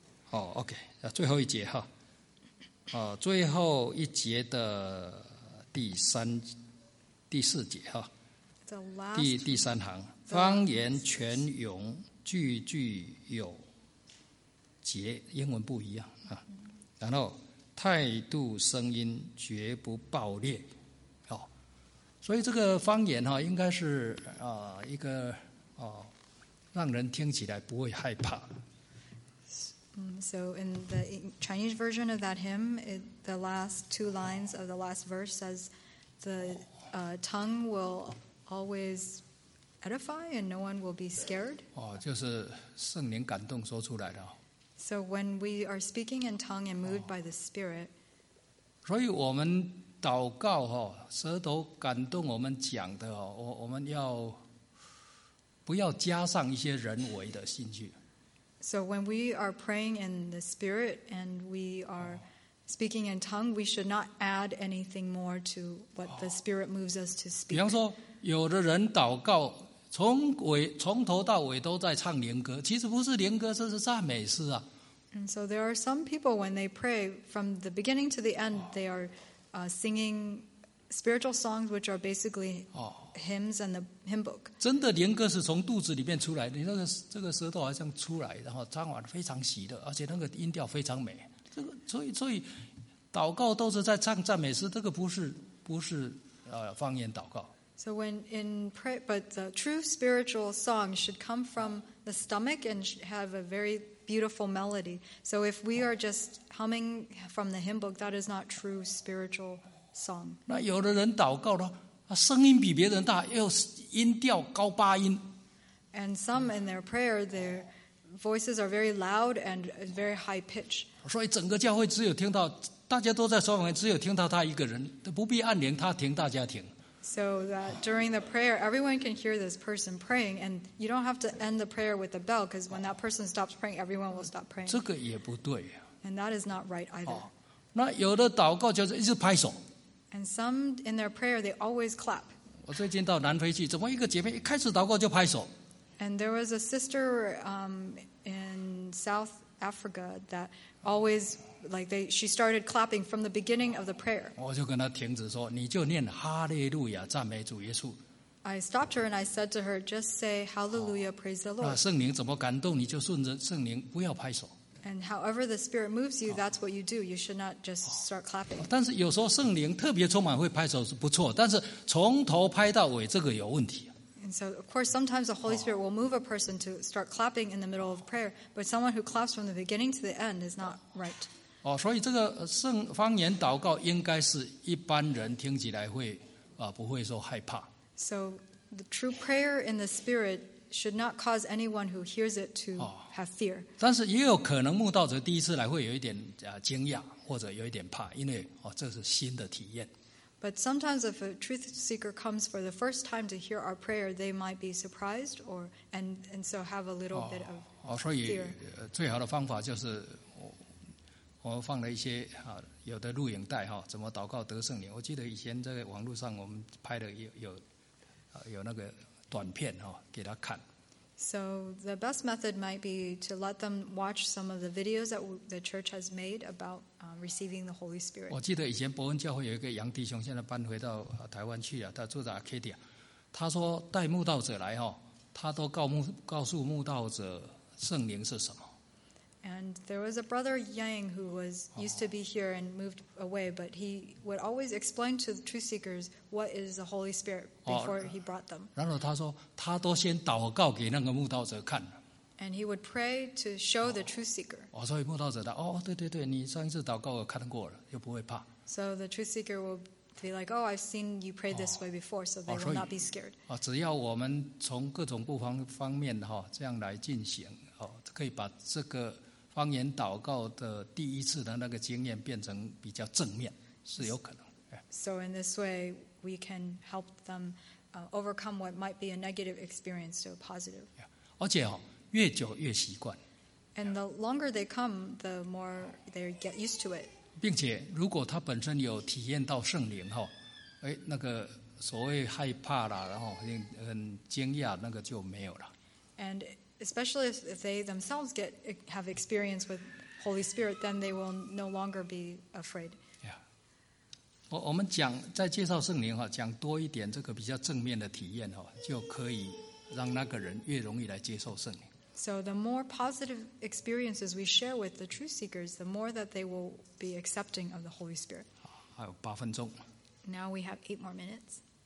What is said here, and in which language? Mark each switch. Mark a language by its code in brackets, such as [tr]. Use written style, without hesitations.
[zh] OK， 最后一节哈，最后一节的第四节哈，第三行，方言泉涌，句句有节，英文不一样啊。然后态度声音绝不爆裂。所以这个方言应该是一个让人听起来不会害怕。 [en] So in the Chinese version of that hymn, the last two lines of the last verse says the tongue will always edify and no one will be scared. [zh] 就是圣灵感动说出来的。 [en] So when we are speaking in tongue and moved by the Spirit, [zh] 所以我们祷告舌头感动我们讲的，我们要不要加上一些人为的兴趣。 [en] So when we are praying in the spirit and we are speaking in tongue, we should not add anything more to what the spirit moves us to speak. [zh] 比方说有的人祷告从头到尾都在唱灵歌，其实不是灵歌，这是赞美诗啊。 [en] And so there are some people when they pray from the beginning to the end, they areSinging spiritual songs, which are basically hymns and the hymn book. [zh] 真的灵歌是从肚子里面出来，你那个这个舌头好像出来，然后唱完非常喜乐，而且那个音调非常美。这个所以祷告都是在唱赞美诗，这个不是方言祷告。 [en] So when in prayer, but the true spiritual song should come from the stomach and have a very beautiful melody. So if we are just humming from the hymn book, that is not true spiritual song. [zh] 那有的人祷告的声音比别人大，又音调高八音。 [en] And some in their prayer, their voices are very loud and very high pitch. [zh] 所以整个教会只有听到，大家都在说方言，只有听到他一个人，不必按铃，他停，大家停。 [en] So that during the prayer, everyone can hear this person praying, and you don't have to end the prayer with a bell, because when that person stops praying, everyone will stop praying. [zh] 这个也不对。 [en] And that is not right either. [zh] 那有的祷告就是一直拍手。 [en] And some in their prayer, they always clap. [zh] 我最近到南非去，怎么一个姐妹一开始祷告就拍手？ [en] And there was a sister in South Africa that always, like she started clapping from the beginning of the prayer. [zh] 我就跟她停止说，你就念哈利路亚，赞美主耶稣。 [en] I stopped her and I said to her, just say Hallelujah, praise the Lord. [zh] 那圣灵怎么感动你就顺着圣灵，不要拍手。 [en] And however the Spirit moves you, that's what you do. You should not just start clapping. [zh] 但是有时候圣灵特别充满会拍手是不错，但是从头拍到尾这个有问题。 [en] And so, of course, sometimes the Holy Spirit will move a person to start clapping in the middle of prayer, but someone who claps from the beginning to the end is not right. [zh] 所以这个方言祷告应该是一般人听起来会不会说害怕。 [en] So the true prayer in the Spirit should not cause anyone who hears it to have fear. [zh] 但是也有可能慕道者第一次来会有一点惊讶或者有一点怕，因为这是新的体验。 [en] But sometimes if a truth seeker comes for the first time to hear our prayer, they might be surprised or and so have a little bit of fear. [zh] 所以最好的方法就是我放了一些有的录影带怎么祷告得圣灵。我记得以前在网络上我们拍的有那个短片给他看。 [en] So the best method might be to let them watch some of the videos that the church has made about receiving the Holy Spirit. [zh] 我记得以前伯恩教会有一个杨弟兄，现在搬回到台湾去了，他住在 Arcadia。他说带慕道者来他都告诉慕道者圣灵是什么。 [en] And there was a brother Yang who was used to be here and moved away, but he would always explain to the truth seekers what is the Holy Spirit before he brought them. [zh] 然后他说，他都先祷告给那个慕道者看。 [en] And he would pray to show the truth seeker. [zh] 所以慕道者说，哦，对对对，你上一次祷告我看过了，又不会怕。 [en] So the truth seeker will be like, oh, I've seen you pray this way before, so they will not be scared. [zh] 只要我们从各种不同方面这样来进行，可以把这个方言祷告的第一次的那个经验变成比较正面，是有可能。 [en] So in this way, we can help them overcome what might be a negative experience to a positive. [zh] 而且越久越习惯。 [en] And the longer they come, the more they get used to it. [zh] 并且如果他本身有体验到圣灵那个所谓害怕啦，然后很惊讶，那个就没有了。 [en] And especially if they themselves have experience with Holy Spirit, then they will no longer be afraid. Yeah. [zh] 我们讲在介绍圣灵讲多一点这个比较正面的体验就可以让那个人越容易来接受圣灵。 [en] So the more positive experiences we share with the truth seekers, the more that they will be accepting of the Holy Spirit. [zh] 还有八分钟。 [en] Now we have 8 more minutes.